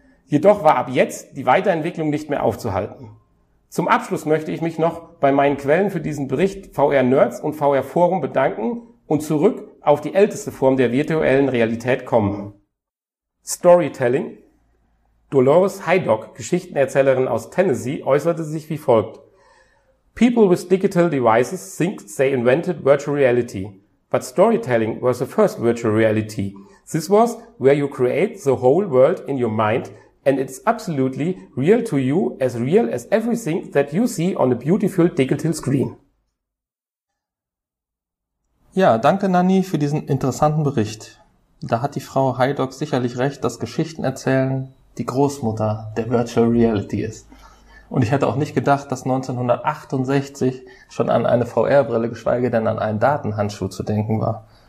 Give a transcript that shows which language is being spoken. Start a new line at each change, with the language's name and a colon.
German: Jedoch war ab jetzt die Weiterentwicklung nicht mehr aufzuhalten. Zum Abschluss möchte ich mich noch bei meinen Quellen für diesen Bericht VR Nerds und VR Forum bedanken und zurück auf die älteste Form der virtuellen Realität kommen. Storytelling. Dolores Haydock, Geschichtenerzählerin aus Tennessee, äußerte sich wie folgt.
English: People with digital devices think they invented virtual reality. But storytelling was the first virtual reality. This was where you create the whole world in your mind and it's absolutely real to you, as real as everything that you see on a beautiful digital screen.
German: Ja, danke Nanni für diesen interessanten Bericht. Da hat die Frau Haydock sicherlich recht, dass Geschichten erzählen die Großmutter der Virtual Reality ist. Und ich hätte auch nicht gedacht, dass 1968 schon an eine VR-Brille, geschweige denn an einen Datenhandschuh zu denken war.